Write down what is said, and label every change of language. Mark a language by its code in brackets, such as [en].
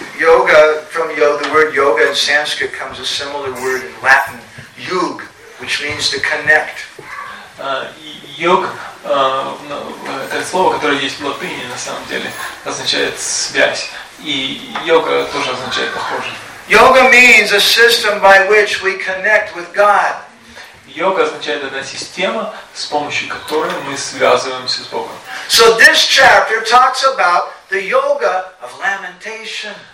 [en] Yoga, from the word yoga in Sanskrit comes a similar word in Latin, yug, which means to connect. [ru] Йог, это слово, которое есть в латыни, на самом деле, означает связь. И йога тоже означает похоже. [en] Yoga means a system by which we connect with God. [ru] Йога означает одна система, с помощью которой мы связываемся с Богом. [en] So this chapter talks about the yoga of lamentation.